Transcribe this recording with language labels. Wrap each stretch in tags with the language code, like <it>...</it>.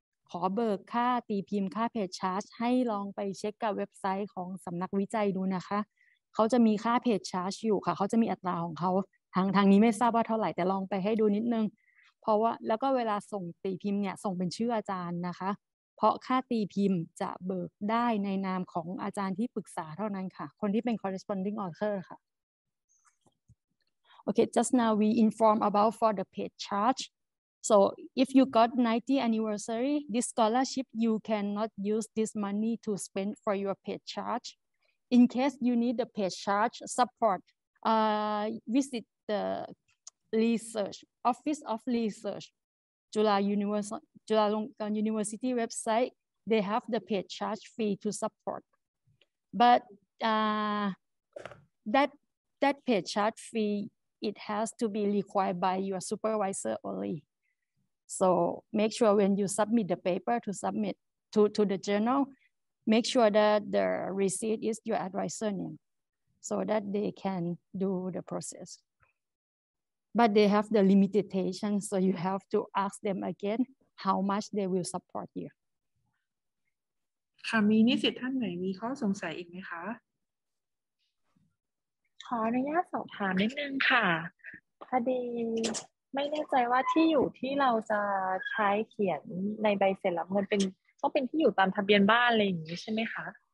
<th>ขอเบิกค่าตีพิมพ์ค่าเพจชาร์จให้ลองไปเช็คกับเว็บไซต์ของสำนักวิจัยดูนะคะเขาจะมีค่าเพจชาร์จอยู่ค่ะเขาจะมีอัตราของเขาทางนี้ไม่ทราบว่าเท่าไหร่แต่ลองไปให้ดูนิดนึงเพราะว่าแล้วก็เวลาส่งตีพิมพ์เนี่ยส่งเป็นชื่ออาจารย์นะคะเพราะค่าตีพิมพ์จะเบิกได้ในนามของอาจารย์ที่ปรึกษาเท่านั้นค่ะคนที่เป็น corresponding author ค่ะ</th> <en>Okay, just now we inform about for the paid charge. So if you got 90th anniversary, this scholarship, you cannot use this money to spend for your paid charge. In case you need the paid charge support, visit the research, Office of Research, Chulalongkorn University website. They have the paid charge fee to support. But that paid charge fee,it has to be required by your supervisor only. So make sure when you submit the paper to submit to the journal, make sure that the receipt is your advisor name so that they can do the process. But they have the limitation, so you have to ask them again how much they will support you.</en> <th>ค่ะ มีนิสิตท่านไหนมีข้อสงสัยอีกไหมคะ ขออนุญาตสอบถามนิดนึงค่ะพอดี ม่แน่ใจว่าที่อยู่ที่เราจะใช้เขียนในใบเสร็จรับเงินเป็นต้องเป็นที่อยู่ตามทะเบียนบ้านอะไรอย่างนี้ใช่ไหมคะ</th>